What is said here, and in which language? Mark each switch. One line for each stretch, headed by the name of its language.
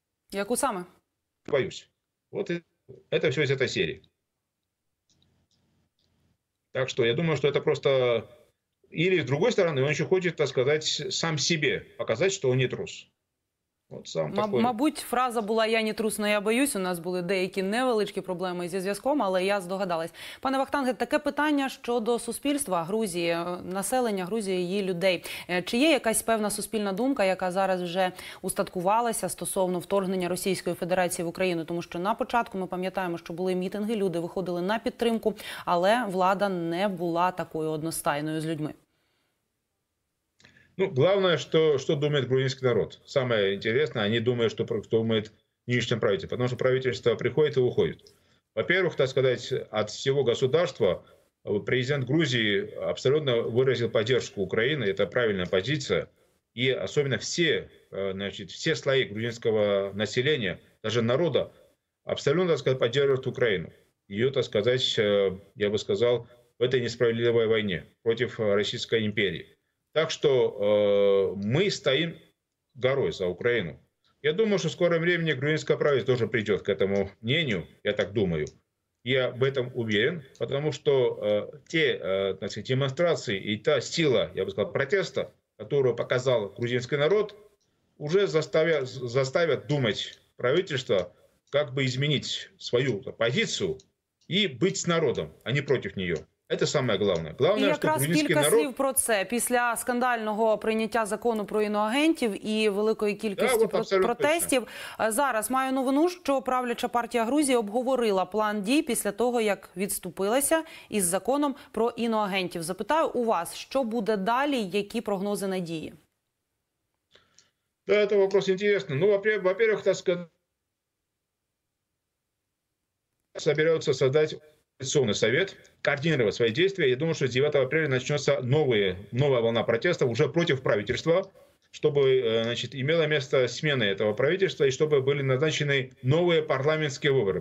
Russian: Я Кусама. Боюсь. Вот это все из этой серии. Так что я думаю, что это просто... Или с другой стороны, он еще хочет, так сказать, сам себе показать, что он не трус. Вот сам такой...
Ukrainian: Мабуть, фраза була «я не трус, но я боюсь». У нас були деякі невеличкі проблеми зі зв'язком, але я здогадалась. Пане Вахтанге, таке питання щодо суспільства Грузії, населення Грузії, її людей. Чи є якась певна суспільна думка, яка зараз вже устаткувалася стосовно вторгнення Російської Федерації в Україну? Тому що на початку ми пам'ятаємо, що були мітинги, люди виходили на підтримку, але влада не була такою одностайною з людьми.
Russian: Ну, главное, что думает грузинский народ. Самое интересное, они думают, что думает нынешнее правительство. Потому что правительство приходит и уходит. Во-первых, так сказать, от всего государства президент Грузии абсолютно выразил поддержку Украины. Это правильная позиция. И особенно все слои грузинского населения, даже народа, абсолютно, так сказать, поддерживают Украину. Ее, так сказать, я бы сказал, в этой несправедливой войне против Российской империи. Так что мы стоим горой за Украину. Я думаю, что в скором времени грузинское правительство тоже придет к этому мнению, я так думаю. Я в этом уверен, потому что значит, демонстрации и та сила, я бы сказал, протеста, которую показал грузинский народ, уже заставят думать правительство, как бы изменить свою позицию и быть с народом, а не против нее.
Ukrainian: Це саме головне. Головне, що якраз кілька народ... слів про це після скандального прийняття закону про іноагентів і великої кількості протестів. Зараз маю новину, що правляча партія Грузії обговорила план дій після того, як відступилася із законом про іноагентів. Запитаю у вас, що буде далі, які прогнози надії? Да, це вопрос інтересний.
Russian: Ну, во-первых, так сказати,
Ukrainian: збираються створити
Russian: Конституционный совет, координировать свои действия. Я думаю, что с 9 апреля начнется новая волна протестов уже против правительства, чтобы, значит, имело место смена этого правительства и чтобы были назначены новые парламентские выборы.